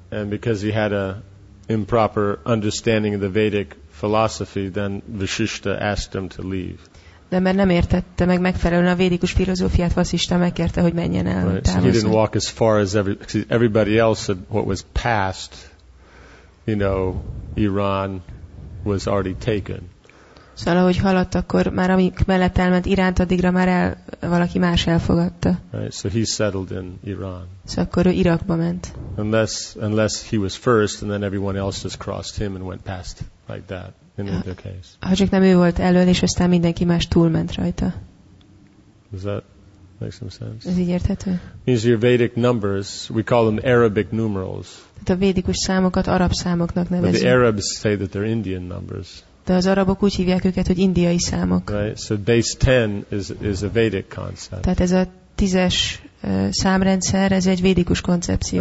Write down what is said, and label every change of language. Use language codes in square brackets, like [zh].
[en] And because he had a improper understanding of the Vedic philosophy, then Vasishta asked him to leave. [hu] De mert nem értette meg megfelelően a védikus filozófiát, Vasishta megkérte, hogy menjen el. [en] Right. So he didn't walk as far as everybody else said what was past, you know, Iran was already taken. [hu] Szóval, ahogy haladt, akkor már amik mellett elment Iránt, addigra már el, valaki más elfogadta. [en] Right. So he settled in Iran. [hu] Szóval akkor ő Irakba ment. [en] Unless he was first, and then everyone else just crossed him and went past like that. [hu] Ha csak nem ő volt elől, és aztán mindenki más túlment rajta. [en] Does that make some sense? [hu] Ez így érthető? [en] Means your Vedic numbers, we call them Arabic numerals. [hu] Tehát a védikus számokat arab számoknak nevezünk. [en] But the Arabs say that they're Indian numbers. [hu] De az arabok úgy hívják őket, hogy indiai számok. [en] Right? So base 10 is a Vedic concept. [hu] Tehát ez a tízes számrendszer, ez egy védikus koncepció.